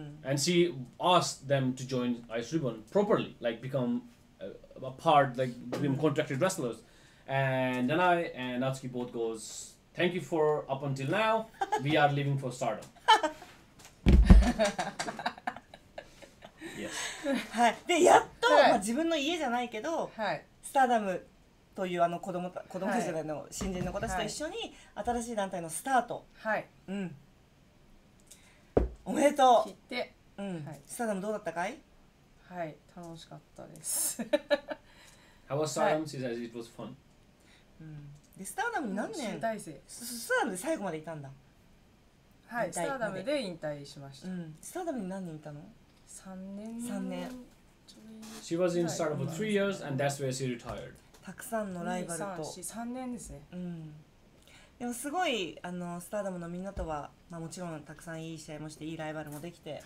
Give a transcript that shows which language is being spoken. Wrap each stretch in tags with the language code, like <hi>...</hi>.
<en>And she asked them to join Ice Ribbon properly, like become a part, like become contracted wrestlers. And then I and Natsuki both goes, thank you for up until now, we are living for stardom.</en> <ja>はい、でやっと、はい、まあ、自分の家じゃないけど、はい、スターダムというあの子供たちの、はい、新人の子たちと一緒に、はい、新しい団体のスタート、はい、うん、おめでとう切って、うん、はい、スターダムどうだったかい。はい、楽しかったです</ja> <en>How was Stardom? She says it was fun.</en> <ja>で、スターダムに何年、集大成、スターダムで最後までいたんだ。はい、スターダムで引退しました。うん、スターダムに何年いたの ?3年。 3年。</ja> <en>She was in Stardom for 3 years and that's where she retired.</en> <ja>たくさんのライバルと。 3年ですね。うん。でもすごい、あの、スターダムのみんなとは、まあ、もちろんたくさんいい試合もして、いいライバルもできて。</ja>